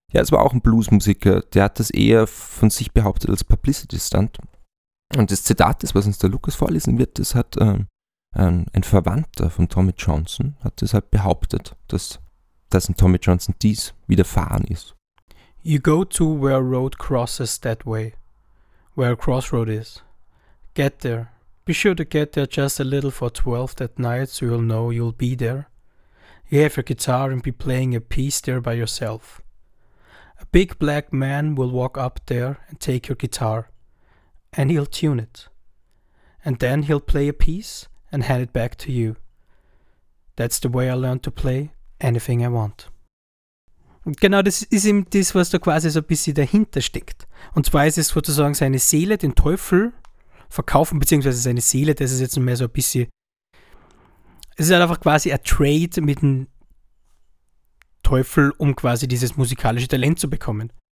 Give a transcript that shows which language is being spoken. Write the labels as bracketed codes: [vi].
[de] Ja, es war auch ein Bluesmusiker, der hat das eher von sich behauptet als Publicity Stunt. Und das Zitat, das, was uns der Lukas vorlesen wird, das hat ein Verwandter von Tommy Johnson, hat deshalb behauptet, dass ein Tommy Johnson dies widerfahren ist. [en] You go to where a road crosses that way, where a crossroad is. Get there. Be sure to get there just a little for 12 that night so you'll know you'll be there. You have your guitar and be playing a piece there by yourself. A big black man will walk up there and take your guitar and he'll tune it. And then he'll play a piece and hand it back to you. That's the way I learned to play anything I want. [de] Genau, das ist eben das, was da quasi so ein bisschen dahinter steckt. Und zwar ist es sozusagen seine Seele, den Teufel, verkaufen, beziehungsweise seine Seele, das ist jetzt mehr so ein bisschen, es ist halt einfach quasi ein Trade mit dem Teufel, um quasi dieses musikalische Talent zu bekommen.